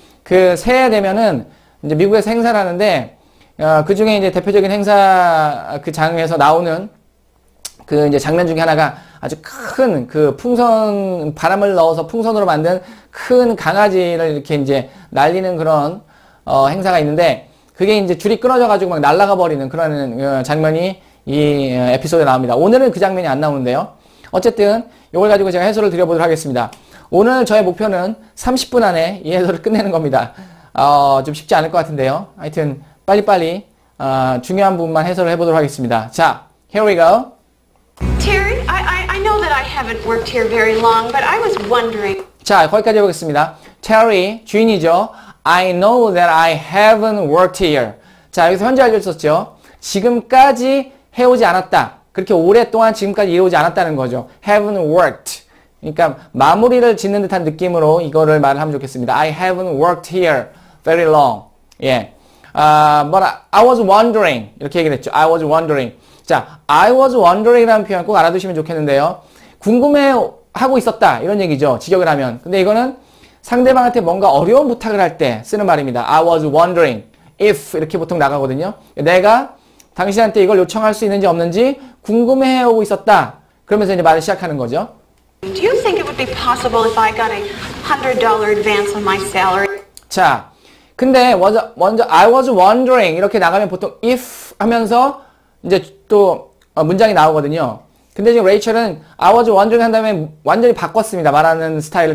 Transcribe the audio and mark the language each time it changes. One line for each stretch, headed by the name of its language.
Korean: 그 새해 되면은 이제 미국에서 행사를 하는데 그 중에 이제 대표적인 행사 그 장에서 나오는 그 이제 장면 중에 하나가 아주 큰그 풍선 바람을 넣어서 풍선으로 만든 큰 강아지를 이렇게 이제 날리는 그런 행사가 있는데 그게 이제 줄이 끊어져 가지고 막 날아가 버리는 그런 장면이 이 에피소드에 나옵니다. 오늘은 그 장면이 안 나오는데요. 어쨌든 이걸 가지고 제가 해설을 드려보도록 하겠습니다. 오늘 저의 목표는 30분 안에 이 해설을 끝내는 겁니다. 좀 쉽지 않을 것 같은데요. 하여튼 빨리빨리 중요한 부분만 해설을 해보도록 하겠습니다.
English: 자, here we go. Terry, I know that I haven't worked here very long, but I was wondering.
Korean: 자, 거기까지 해보겠습니다.
English: Terry,
Korean: 주인이죠.
English: I know that I haven't worked here.
Korean: 자, 여기서 현재 알려주셨죠. 지금까지 해오지 않았다. 그렇게 오랫동안 지금까지 일해오지 않았다는 거죠.
English: Haven't worked.
Korean: 그러니까 마무리를 짓는 듯한 느낌으로 이거를 말을 하면 좋겠습니다.
English: I haven't worked here very long. 예. But I was wondering.
Korean: 이렇게 얘기를 했죠.
English: I was wondering.
Korean: 자,
English: I was wondering
Korean: 이라는 표현 꼭 알아두시면 좋겠는데요. 궁금해 하고 있었다. 이런 얘기죠. 직역을 하면. 근데 이거는 상대방한테 뭔가 어려운 부탁을 할때 쓰는 말입니다.
English: I was wondering if
Korean: 이렇게 보통 나가거든요. 내가 당신한테 이걸 요청할 수 있는지 없는지 궁금해 하고 있었다. 그러면서 이제 말을 시작하는 거죠.
English: Do you think it would be possible if I got a $100 advance on my salary?
Korean: 자, 근데 먼저
English: I was wondering
Korean: 이렇게 나가면 보통 if 하면서 이제 또 문장이 나오거든요. 근데 지금 레이첼은
English: I was wondering
Korean: 한 다음에 완전히 바꿨습니다. 말하는 스타일을.